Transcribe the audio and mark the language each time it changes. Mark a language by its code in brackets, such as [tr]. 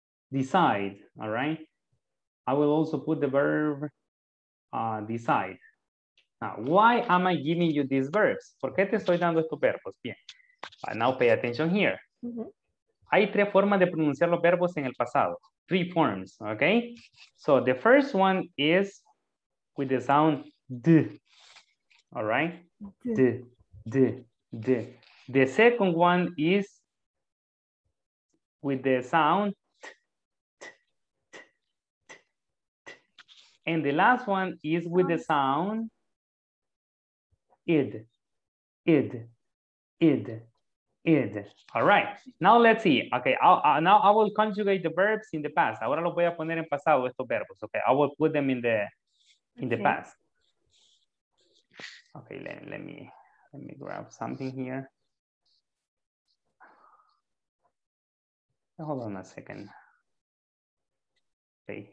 [en] Decide, all right? I will also put the verb decide. Now, why am I giving you these verbs? [es] ¿Por qué te estoy dando estos verbos? Bien. [en] Now pay attention here. [es] Hay tres formas de pronunciar los verbos en el pasado. [en] Three forms, okay? So the first one is with the sound D. All right? D, D, D. The second one is with the sound T. And the last one is with the sound id, id, id, id. All right. Now let's see. Okay. Now I will conjugate the verbs in the past. [es] Ahora los voy a poner en pasado estos verbos. [en] Okay. I will put them in the past. Okay. Let me grab something here. Hold on a second. Okay.